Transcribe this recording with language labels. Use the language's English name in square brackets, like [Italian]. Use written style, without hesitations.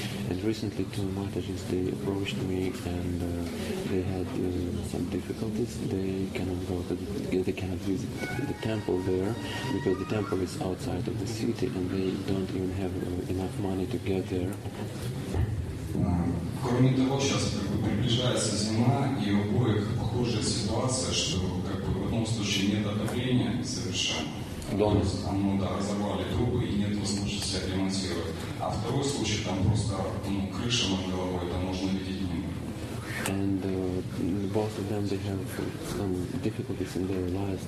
[English] And recently two Matajis, they approached me and they had some difficulties. They cannot go to they cannot visit the temple there because the temple is outside of the city and they don't even have enough money to get there. [Russian] Кроме того, сейчас как бы, приближается зима, и у обоих похожая ситуация, что как бы, в одном случае нет отопления совершенно. Там, ну, да, разорвали трубы и нет возможности себя ремонтировать. А второй случай, там просто ну, крыша над головой, там можно видеть небо. [English] And both of them, they have some difficulties in their lives.